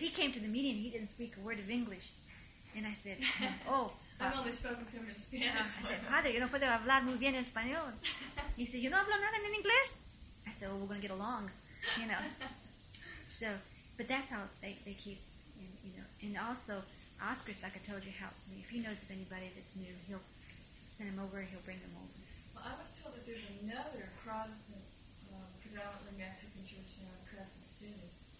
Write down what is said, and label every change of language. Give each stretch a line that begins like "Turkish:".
English: he came to the meeting and he didn't speak a word of English. And I said to him, I've only spoken to him in Spanish. I said, Father,
Spanish: yo no puedo hablar muy bien en español.
English: He said,
Spanish: yo no hablo nada en inglés.
English: I said, well, we're going to get along, you know. So, but that's how they keep, you know. And also, Oscar, like I told you, helps me. If he knows of anybody that's new, he'll send them over, he'll bring them over. Well, I was told that there's another Protestant, predominantly Mexican church now in Crescent City.